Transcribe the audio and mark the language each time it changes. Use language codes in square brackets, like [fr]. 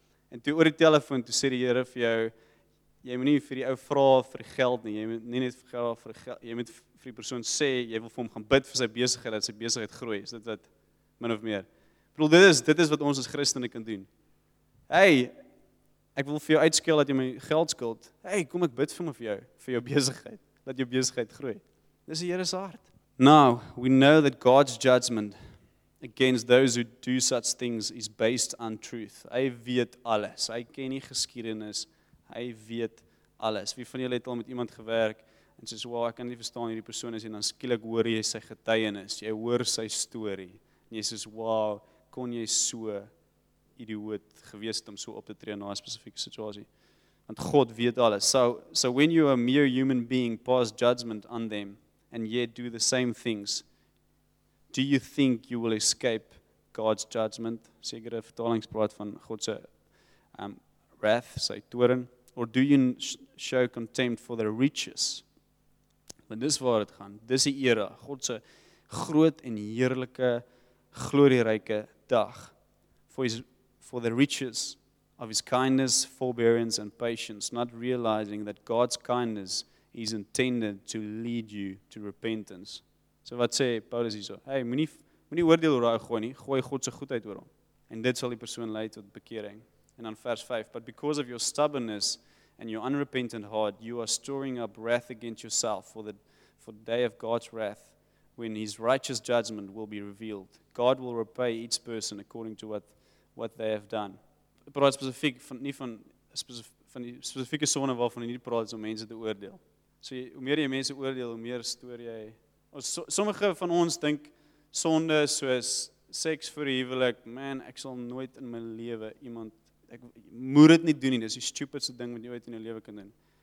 [af] En toe oor die telefoon, toe sê die Here vir jou, jy moet nie vir die ou vrou vir geld nie, jy moet nie net vir geld, jy moet vir die persoon sê, jy wil vir hom gaan bid vir sy besigheid, dat sy besigheid groei, is dit wat, min of meer. Ek bedoel, dit is wat ons as christene kan doen. Hey, ek wil vir jou uitskeel dat jy my geld skuld, hey, kom ek bid vir jou besigheid, dat jou besigheid groei. Dis die Here se hart. [en] Now, we know that God's judgment against those who do such things is based on truth. [af] Hy weet alles, hy ken die geskiedenis, hy weet alles. Wie van julle het al met iemand gewerk, en soos, wow, ek kan nie verstaan hierdie persoon is, en dan skielik hoor jy sy getuienis, jy hoor sy story, en jy soos, wow, kon jy so idioot gewees het om so op te tree na 'n spesifieke situasie. Want God weet alles. [en] So when you are a mere human being, pass judgment on them, and yet do the same things, do you think you will escape God's judgment? [af] Sekere vertalings praat van God se wrath, sy toren. [en] Or do you show contempt for their riches? [af] Want dis waar het gaan. Dis die era, God se groot en heerlike, glorieryke dag. [en] For the riches of his kindness, forbearance and patience, not realizing that God's kindness is intended to lead you to repentance. [af] So wat sê Paulus hierso? Hey, moenie oordeel oor daai gooi nie, gooi God se goedheid oor hom. En dit sal die persoon lei tot bekering. En dan vers 5, [en] but because of your stubbornness and your unrepentant heart, you are storing up wrath against yourself for the day of God's wrath, when his righteous judgment will be revealed. God will repay each person according to what they have done. [af] Ek praat spesifiek van die spesifieke sone waarvan jy nie praat is om mense te oordeel. So jy, hoe meer jy mense oordeel, hoe meer stoor jy. Sommige van ons dink sonde soos seks vir huwelik, man, ek sal nooit in my lewe iemand, ek moet dit nie doen nie, dis die stupidste ding wat jy ooit in jou lewe kan doen.